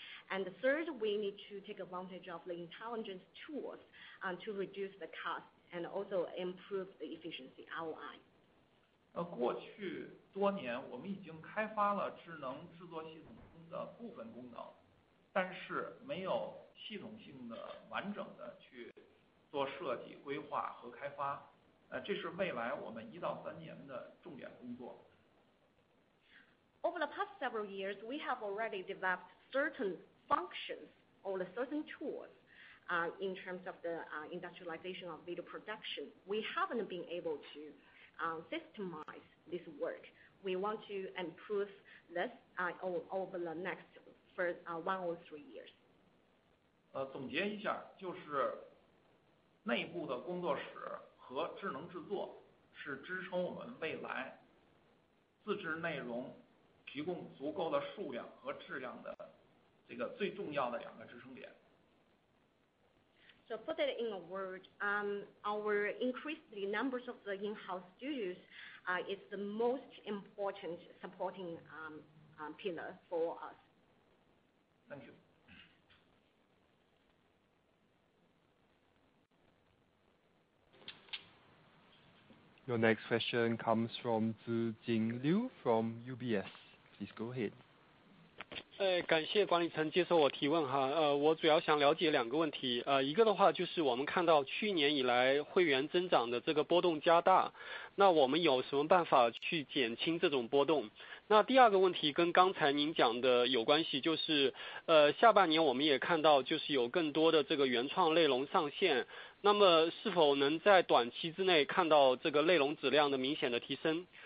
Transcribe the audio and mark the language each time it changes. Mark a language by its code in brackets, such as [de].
[en] And third, we need to take advantage of the intelligence tools to reduce the cost and also improve the efficiency ROI. [zh] 过去多年我们已经开发了智能制作系统中的部分功能，但是没有系统性的完整的去做设计规划和开发，这是未来我们1-3年的重点工作。 [en] Over the past several years, we have already developed certain functions or certain tools in terms of the industrialization of video production. We haven't been able to systemize this work. We want to improve this over the next 1 or 3 years. 总结一下，就是内部的工作室和智能制作是支撑我们未来自制内容提供足够的数量和质量的这个最重要的两个支撑点。 So put it in a word, our increased the numbers of the in-house studios is the most important supporting pillar for us. Thank you. Your next question comes from Zijing Liu from UBS. Please go ahead. [zh] 感谢管理层接受我提问哈。我主要想了解两个问题。一个的话就是我们看到去年以来会员增长的这个波动加大，那我们有什么办法去减轻这种波动？那第二个问题跟刚才您讲的有关系，就是下半年我们也看到就是有更多的这个原创内容上线，那么是否能在短期之内看到这个内容质量的明显的提升？